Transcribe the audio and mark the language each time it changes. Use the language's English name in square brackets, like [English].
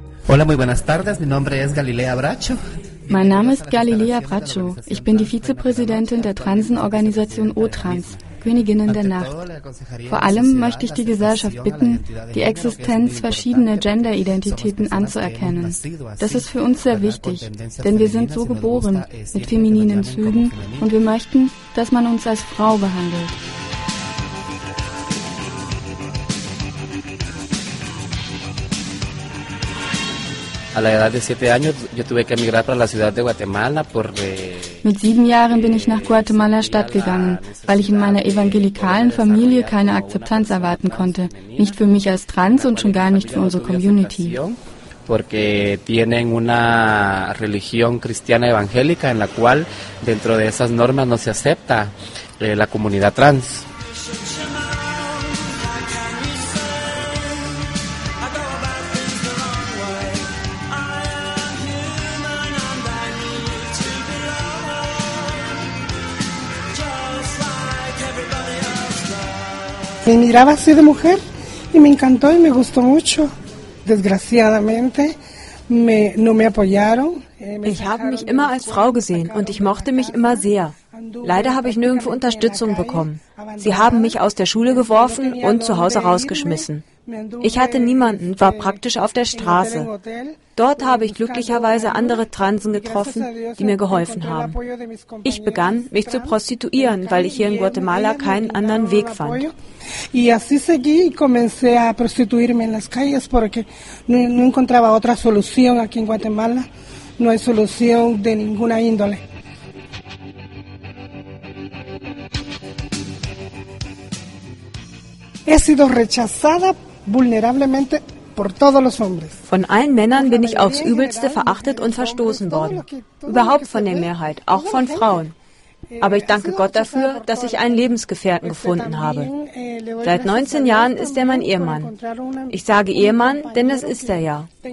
[Spanish] Hola, muy buenas tardes. Mi nombre es Galilea Bracho. [German] Mein Name ist Galilea Bracho. Ich bin die Vizepräsidentin der Transenorganisation OTRANS, Königinnen der Nacht. Vor allem möchte ich die Gesellschaft bitten, die Existenz verschiedener Gender-Identitäten anzuerkennen. Das ist für uns sehr wichtig, denn wir sind so geboren mit femininen Zügen und wir möchten, dass man uns als Frau behandelt. Mit 7 Jahren bin ich nach Guatemala-Stadt gegangen, weil ich in meiner evangelikalen Familie keine Akzeptanz erwarten konnte. Nicht für mich als Trans und schon gar nicht für unsere Community. [Spanish] Porque tienen una religión cristiana evangélica en la cual dentro de esas normas no se acepta la comunidad trans. Me miraba así de mujer y me encantó y me gustó mucho. Desgraciadamente, no me apoyaron. [German] Ich habe mich immer als Frau gesehen und ich mochte mich immer sehr. Leider habe ich nirgendwo Unterstützung bekommen. Sie haben mich aus der Schule geworfen und zu Hause rausgeschmissen. Ich hatte niemanden, war praktisch auf der Straße. Dort habe ich glücklicherweise andere Transen getroffen, die mir geholfen haben. Ich begann, mich zu prostituieren, weil ich hier in Guatemala keinen anderen Weg fand. [Spanish] No hay solución de ninguna índole. He sido rechazada vulnerablemente por todos los hombres. [German] Von allen Männern bin ich aufs Übelste verachtet und verstoßen worden. Überhaupt von der Mehrheit, auch von Frauen. Aber ich danke Gott dafür, dass ich einen Lebensgefährten gefunden habe. Seit 19 Jahren ist er mein Ehemann. Ich sage Ehemann, denn das ist er ja.